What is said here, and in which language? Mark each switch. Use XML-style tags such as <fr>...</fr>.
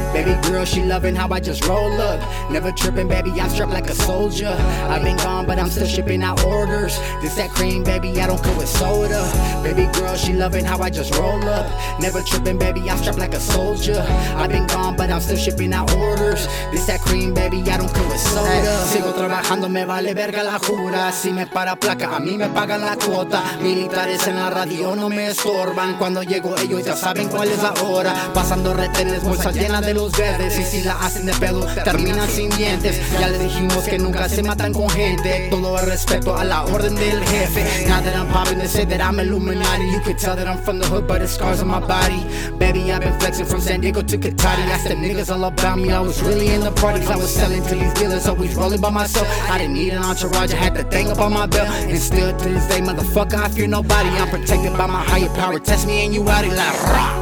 <en>Baby girl, she loving how I just roll up. Never tripping, baby, I'm strapped like a soldier. I've been gone, but I'm still shipping out orders. This that cream, baby, I don't cook with soda. Baby girl, she loving how I just roll up. Never tripping, baby, I'm strapped like a soldier. I've been gone, but I'm still shipping out orders. This that cream, baby, I don't cook with soda.</en> <es>Sigo trabajando, me vale verga la jura. Si me para placa, a mí me pagan la cuota. Militares en la radio no me estorban. Cuando llego ellos ya saben cuál es la hora. Pasando retenes, bolsas llenas de luz verdes. Y si la hacen de pedo, terminan sin dientes. Ya les dijimos que nunca se matan con gente. Todo el respeto a la orden del jefe.</es> <en>Now that I'm popping, they say that I'm Illuminati. You can tell that I'm from the hood, but it's scars on my body. Baby, I've been flexing from San Diego to Qatari. Asked them niggas all about me, I was really in the parties. I was selling to these dealers, always rolling by myself. I didn't need an entourage, I had the thing up on my belt. And still to this day, motherfucker, I fear nobody. I'm protected by my higher power, test me and you out it like rah.</en>